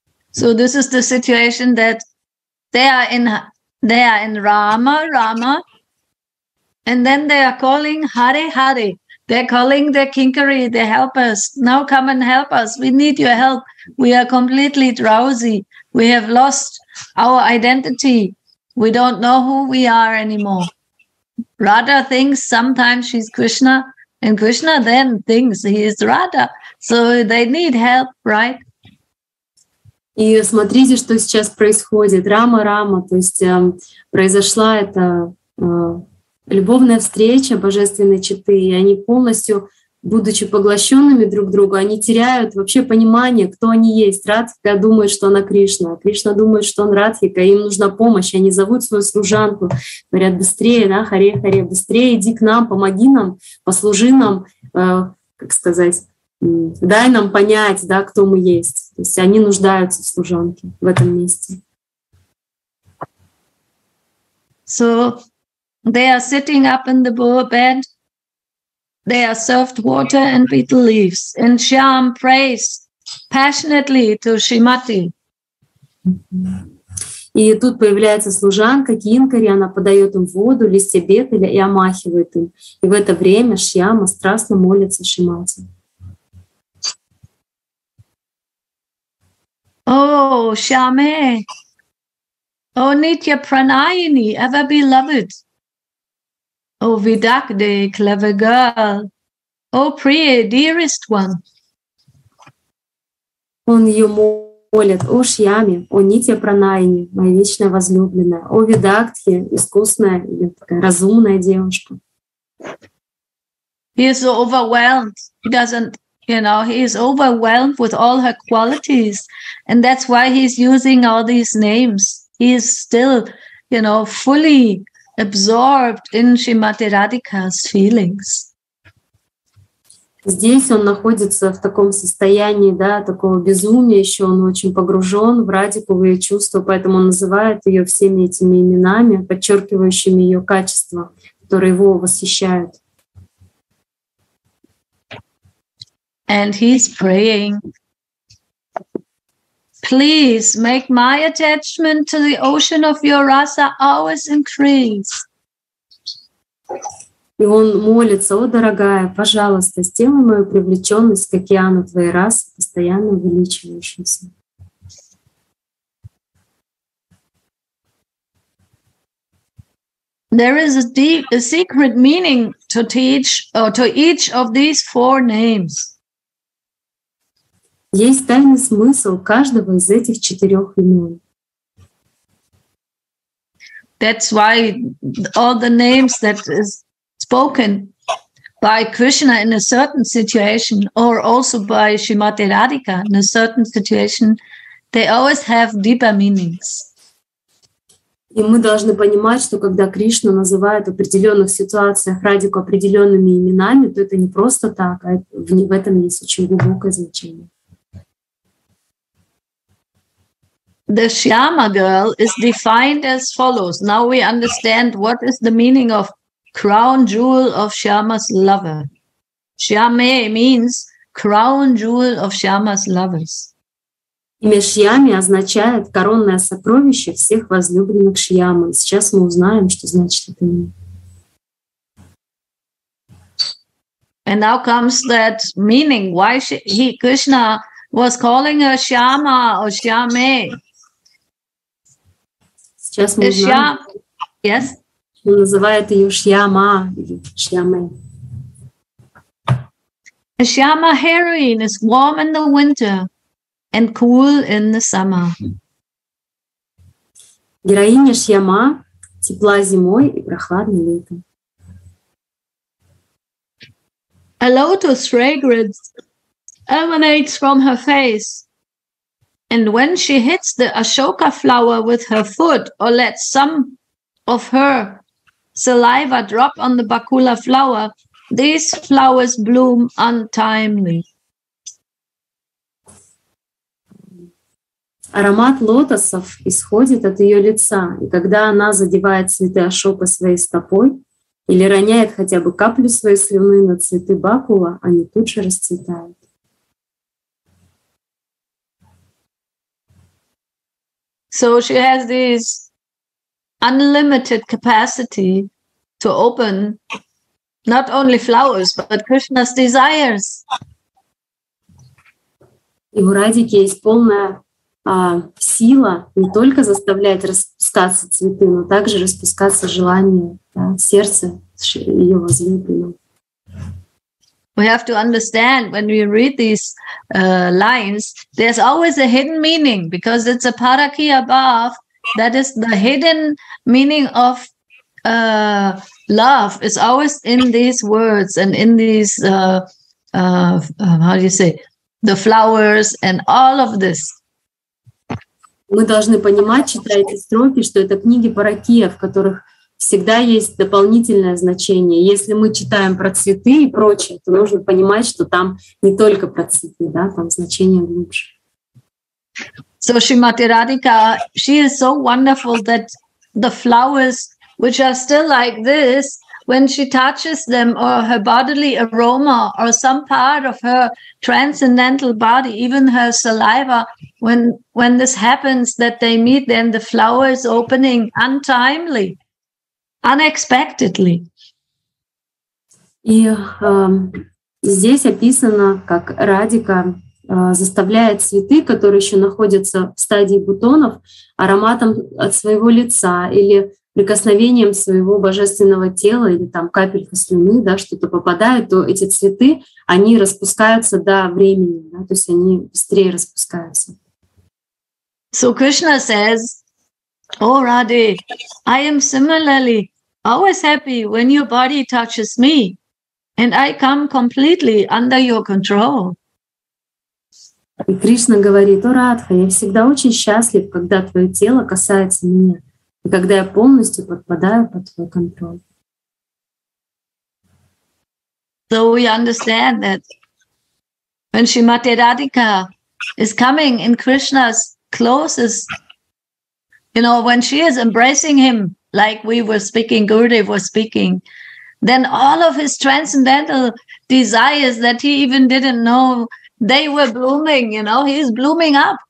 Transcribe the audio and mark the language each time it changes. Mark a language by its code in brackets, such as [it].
[en] So this is the situation that they are in Rama, Rama, and then they are calling Hare Hare. They're calling their kinkari, their helpers. Now come and help us. We need your help. We are completely drowsy. We have lost our identity. We don't know who we are anymore. Radha thinks sometimes she's Krishna, and Krishna then thinks he is Radha. So they need help, right? [ru] И смотрите, что сейчас происходит. Рама-рама, то есть произошла эта любовная встреча божественной четы, и они полностью, будучи поглощенными друг другу, они теряют вообще понимание, кто они есть. Радхика думает, что она Кришна, а Кришна думает, что он Радхика, им нужна помощь. Они зовут свою служанку, говорят, быстрее, да, Харе, Харе, быстрее иди к нам, помоги нам, послужи нам, как сказать, дай нам понять, да, кто мы есть. То есть они нуждаются в служанке в этом месте. [en] So they are sitting up in the bed. They are served water and betel leaves. And Shyam prays passionately to Shrimati. [ru] И тут появляется служанка Кинкари, она подает им воду, листья бетеля и омахивает им. И в это время Шьяма страстно молится Шримати. [en] Oh, Shyame, oh, Nitya Pranayini, ever beloved. Oh, Vidakde, clever girl. Oh, Priya, dearest one. [ru] Он ее молит, о Шьяме, о Нитья Пранайне, моя вечная возлюбленная, о Видактхе, искусная или такая разумная девушка. [en] He is so overwhelmed. He doesn't, you know, he is overwhelmed with all her qualities. And that's why he's using all these names. He is still, you know, fully absorbed in Shrimati Radhika's feelings. [ru] Здесь он находится в таком состоянии, да, такого безумия еще, он очень погружен в радиковые чувства, поэтому он называет ее всеми этими именами, подчеркивающими ее качества, которые его восхищают. [en] And he's praying. Please make my attachment to the ocean of your rasa always increase. [ru] И он молится, о, дорогая, пожалуйста, сделай мою привлеченность к океану твоей расы постоянно увеличивающейся. [en] There is a deep, a secret meaning to teach or to each of these four names. [ru] Есть тайный смысл каждого из этих четырех имен. [en] That's why all the names that is spoken by Krishna in a certain situation, or also by Shrimati Radhika in a certain situation, they always have deeper meanings. [ru] И мы должны понимать, что когда Кришна называет в определенных ситуациях Радику определенными именами, то это не просто так, а в этом есть очень глубокое значение. [en] The Shyama girl is defined as follows. Now we understand what is the meaning of crown jewel of Shyama's lover. Shyame means crown jewel of Shyama's lovers. [ru] Имя Шьяме означает коронное сокровище всех возлюбленных Шьямы. Сейчас мы узнаем, что значит это имя. [en] And now comes that meaning. Why he Krishna was calling her Shyama or Shyame? [ru] Сейчас мы узнаем. [en] Yes. [ru] Он называет ее Шьяма или Шьяме. [en] A Shyama heroine is warm in the winter and cool in the summer. [ru] Героиня Шьяма тепла зимой и прохладно летом. [en] A lotus fragrance emanates from her face. And when she hits the Ashoka flower with her foot or lets some of her saliva drop on the Bakula flower, these flowers bloom untimely. [ru] Аромат лотосов исходит от ее лица, и когда она задевает цветы Ашока своей стопой или роняет хотя бы каплю своей слюны на цветы Бакула, они тут же расцветают. [en] So she has this unlimited capacity to open not only flowers, but Krishna's desires. [ru] И у Радики есть полная сила не только заставлять распускаться цветы, но также распускаться желания, да, сердца ее возлюбленного. [en] We have to understand when we read these lines, there's always a hidden meaning because it's a paraki above. That is the hidden meaning of love is always in these words and in these, how do you say, the flowers and all of this. [ru] Мы должны понимать, читая эти строки, что это книги паракия, в которых всегда есть дополнительное значение. Если мы читаем про цветы и прочее, то нужно понимать, что там не только про цветы, да, там значение глубже. [en] So Shrimati Radhika, she is so wonderful that the flowers, which are still like this, when she touches them or her bodily aroma or some part of her transcendental body, even her saliva, when this happens, that they meet, then the flower is opening untimely. Unexpectedly. [ru] И здесь описано, как Радика заставляет цветы, которые еще находятся в стадии бутонов, ароматом от своего лица или прикосновением своего божественного тела или там капелька слюны, да, что-то попадает, то эти цветы, они распускаются до времени, да, то есть они быстрее распускаются. [en] So Krishna says, O Radhe, I am similarly always happy when your body touches me and I come completely under your control. [ru] И Кришна говорит, О Радха, я всегда очень счастлив, когда твое тело касается меня. И когда я полностью подпадаю под твой контроль. [en] So we understand that when Shrimati Radhika is coming in Krishna's closest, you know, when she is embracing him, like we were speaking, Gurudev was speaking, then all of his transcendental desires that he even didn't know, they were blooming, you know, he's blooming up.